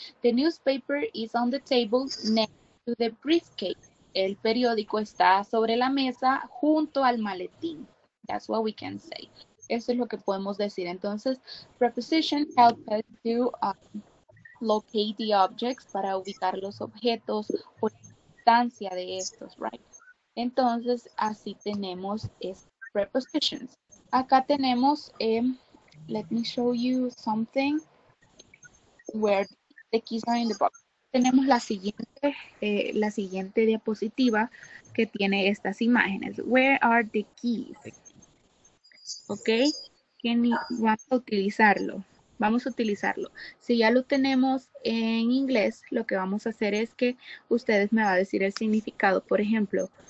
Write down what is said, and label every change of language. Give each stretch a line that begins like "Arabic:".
English: The newspaper is on the table next to the briefcase.
Spanish: El periódico está sobre la mesa junto al maletín.
English: That's what we can say.
Spanish: Eso es lo que podemos decir. Entonces,
English: preposition help us to locate the objects,
Spanish: para ubicar los objetos o la distancia de estos, right? Entonces, así tenemos prepositions. Acá tenemos,
English: let me show you something, where the keys are in the box.
Spanish: Tenemos la siguiente diapositiva que tiene estas imágenes.
English: Where are the keys? ¿Ok?
Spanish: ¿Quién va a utilizarlo? Vamos a utilizarlo. Si ya lo tenemos en inglés, lo que vamos a hacer es que ustedes me van a decir el significado. Por ejemplo,